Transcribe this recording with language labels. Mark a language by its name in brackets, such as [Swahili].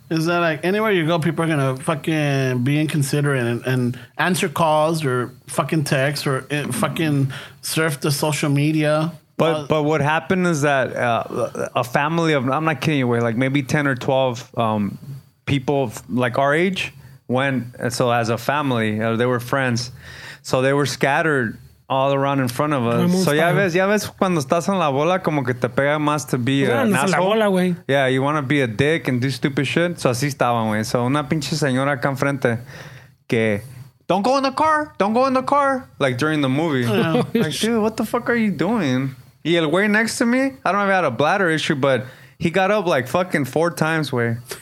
[English] Is that like anywhere you go, people are gonna fucking be inconsiderate and answer calls or fucking texts or fucking surf the social media. But what happened is that a family of, I'm not kidding you, we're like maybe 10 or 12 people of, like our age went, and so as a family, they were friends. So they were scattered all around in front of us. [Spanish] So ya ves cuando estás en la bola, como que te pega más [English] to be an asshole. Yeah, you want to be a dick and do stupid shit. So [Spanish] así estaban, [English] güey. So [Spanish] una pinche señora acá enfrente que... [English] Don't go in the car. Don't go in the car. Like during the movie. Yeah. Like, dude, what the fuck are you doing? [Spanish] Y el güey [English] next to me, I don't know if he had a bladder issue, but he got up like fucking four times, güey.